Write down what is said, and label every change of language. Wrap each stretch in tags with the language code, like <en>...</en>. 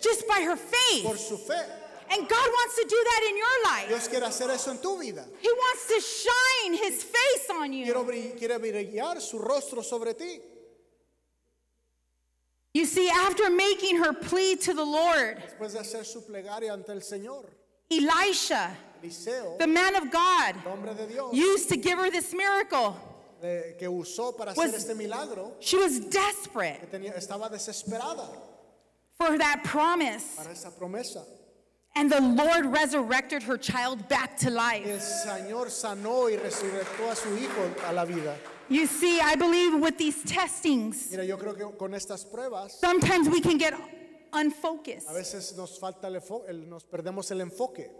<en>Just by her faith.</en> <es>Por su fe.</es> <en>And God wants to do that in your life.</en> <es>Dios quiere hacer eso en tu vida.</es> <en>He wants to shine his face on you.</en> <es>Quiere brillar su rostro sobre ti.</es> <en>You see, after making her plea to the Lord,</en> <es>después de hacer su plegaria ante el Señor,</es> <en>Elisha,</en> <es>Eliseo,</es> <en>the man of God,</en> <es>el hombre de Dios,</es> <en>used to give her this miracle.</en> <es>Que usó para hacer este milagro,</es> <en>she was desperate</en> <es>que tenía, estaba desesperada</es> <en>for that promise.</en> <es>Para esa promesa.</es> <en>And the Lord resurrected her child back to life.</en> <es>El Señor sanó y resucitó a su hijo a la vida.</es> <en>You see, I believe with these testings,</en> <es>mira, yo creo que con estas pruebas,</es> <en>sometimes we can get unfocused.</en> <es>A veces nos falta nos perdemos el enfoque.</es>